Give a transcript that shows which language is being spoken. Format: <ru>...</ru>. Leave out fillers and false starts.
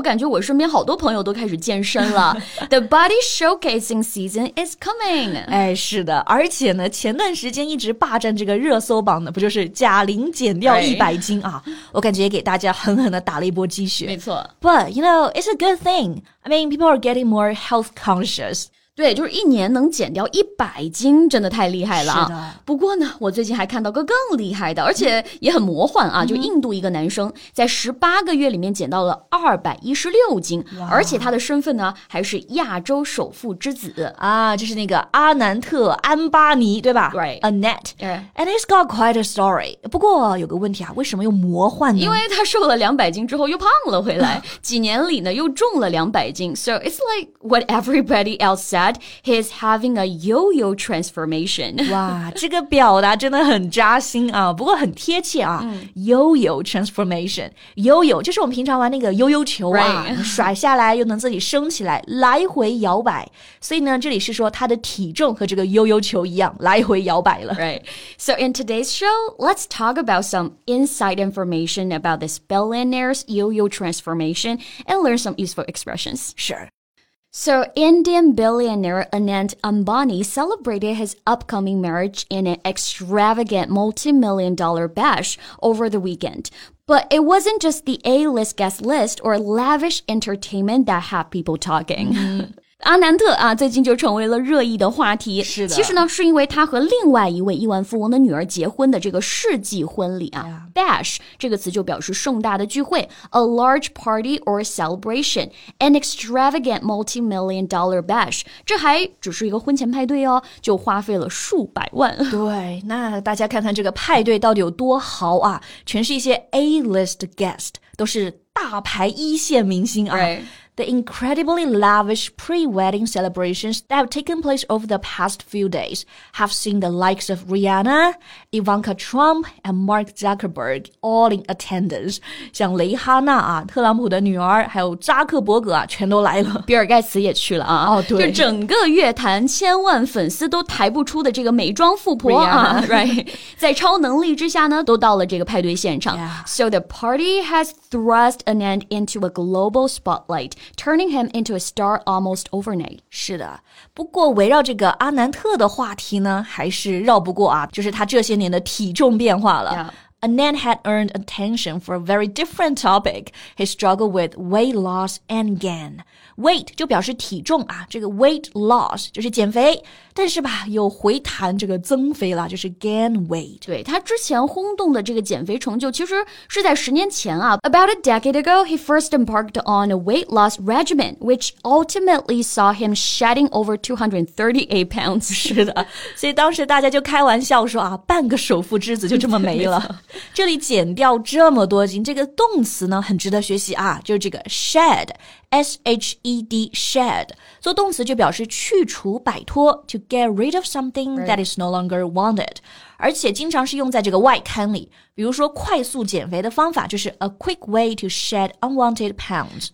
<zh>我感觉我身边好多朋友都开始健身了。</zh> <en>The body showcasing season is coming.</en> <zh>哎，是的，而且呢，前段时间一直霸占这个热搜榜的，不就是贾玲减掉100斤啊？我感觉也给大家狠狠地打了一波鸡血。没错。</zh> <en>But, you know, it's a good thing. I mean, people are getting more health conscious.</en> <zh>对，就是一年能减掉100斤，真的太厉害了、啊。是的。不过呢，我最近还看到个更厉害的，而且也很魔幻啊，就印度一个男生在18个月里面减到了216斤，而且他的身份呢还是亚洲首富之子啊，就是那个阿南特·安巴尼，对吧</zh> <en>？Right, Anant. And it's got quite a story.</en> <zh>不过有个问题啊，为什么又魔幻呢？因为他瘦了200斤之后又胖了回来，几年里呢又重了200斤。</zh> <en>So it's like what everybody else said. He's having a yo-yo transformation.</en> <zh>哇，这个表达真的很扎心啊，不过很贴切啊。</zh> <en>Yo-yo transformation.</en> <zh>Yo-yo, 就是我们平常玩那个悠悠球啊、</zh> <en>right.</en> <zh>甩下来又能自己升起来，来回摇摆。所以呢，这里是说他的体重和这个悠悠球一样，来回摇摆了。</zh> <en>Right. So in today's show, let's talk about some inside information about this billionaire's yo-yo transformation and learn some useful expressions. Sure. So, Indian billionaire Anant Ambani celebrated his upcoming marriage in an extravagant multi-million dollar bash over the weekend. But it wasn't just the A-list guest list or lavish entertainment that had people talking. Mm-hmm.</en> <zh>阿南特啊，最近就成为了热议的话题。是的，其实呢，是因为他和另外一位亿万富翁的女儿结婚的这个世纪婚礼啊。</zh> <en>Yeah. Bash</en> <zh>这个词就表示盛大的聚会</zh> <en>，a large party or celebration，an extravagant multi-million dollar bash。</en> <zh>这还只是一个婚前派对哦，就花费了数百万。对，那大家看看这个派对到底有多豪啊，全是一些 A-list guest， 都是大牌一线明星啊。</zh> <en>Right. The incredibly lavish pre-wedding celebrations that have taken place over the past few days have seen the likes of Rihanna, Ivanka Trump, and Mark Zuckerberg all in attendance.</en> <zh>像雷哈娜啊，特朗普的女儿，还有扎克伯格啊，全都来了。比尔盖茨也去了啊。哦，对。就整个乐坛千万粉丝都抬不出的这个美妆富婆啊</zh> <en>，right，</en> <zh>在超能力之下呢，都到了这个派对现场。</zh> <en>Yeah. So the party has thrust Anand into a global spotlight. Turning him into a star almost overnight.</en> <zh>是的，不过围绕这个阿南特的话题呢，还是绕不过啊，就是他这些年的体重变化了。</zh> <en>Yeah. Anand had earned attention for a very different topic. He struggled with weight loss and gain.</en> <zh>Weight 就表示体重啊，这个 weight loss 就是减肥，但是吧，又回弹这个增肥了，就是 gain weight. 对，他之前轰动的这个减肥成就其实是在十年前啊。</zh> <en>About a decade ago, he first embarked on a weight loss regimen, which ultimately saw him shedding over 238 pounds.</en> <zh>是的，所以当时大家就开玩笑说啊，半个首富之子就这么没了。这里减掉这么多斤，这个动词呢很值得学习啊，就是这个 shed, S-H-E-D, shed, 做动词就表示去除摆脱</zh> <en>to get rid of something that is no longer wanted,</en> <zh>而且经常是用在这个外刊里，比如说快速减肥的方法就是</zh> <en>a quick way to shed unwanted pounds.</en>